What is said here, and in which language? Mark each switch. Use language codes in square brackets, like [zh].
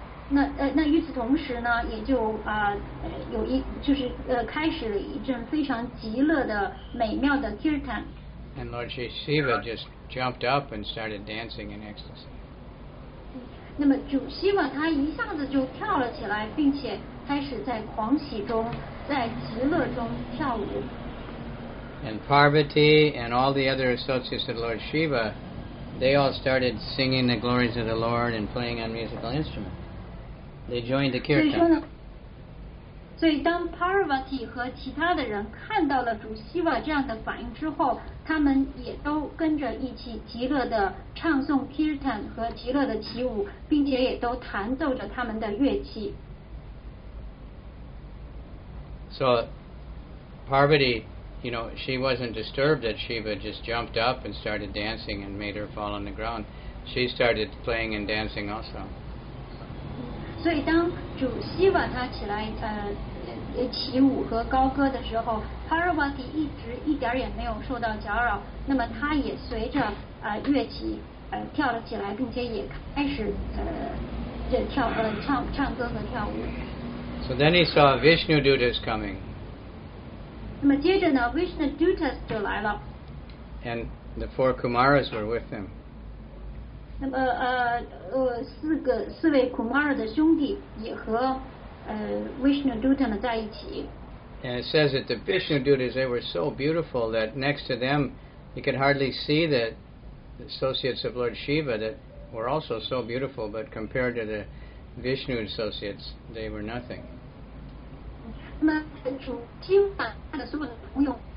[zh] 那与此同时呢，也就有一就是开始了一阵非常极乐的美妙的 kirtan。 [en] And Lord Shiva just jumped up and started dancing in ecstasy. [zh] 那么主希瓦他一下子就跳了起来，并且开始在狂喜中，在极乐中跳舞。 [en] And Parvati and all the other associates of Lord Shiva, they all started singing the glories of the Lord and playing on musical instruments. They joined the kirtan. [zh] 所以当 Parvati 和其他的人看到了主希瓦这样的反应之后，他们也都跟着一起极乐的唱诵 Kirtan 和极乐的起舞，并且也都弹奏着他们的乐器。 [en] So Parvati, you know, she wasn't disturbed that Shiva just jumped up and started dancing and made her fall on the ground. She started playing and dancing also. [zh] 所以当主希瓦他起来起舞和高歌的时候， Parvati 一直一点也没有受到搅扰，那么他也随着乐器跳了起来，并且也开始唱歌和跳舞。 [en] So then he saw Vishnu Dutas coming. [zh] 那么接着呢， Vishnu Dutas 就来了。 [en] And the four Kumaras were with him. [zh] 那么四位 Kumar 的兄弟也和Vishnu Dutas 们在一起。 [en] And it says that the Vishnu Dutas, they were so beautiful that next to them you could hardly see the associates of Lord Shiva that were also so beautiful, but compared to the Vishnu associates, they were nothing. [zh] 那么主希瓦的所有的朋友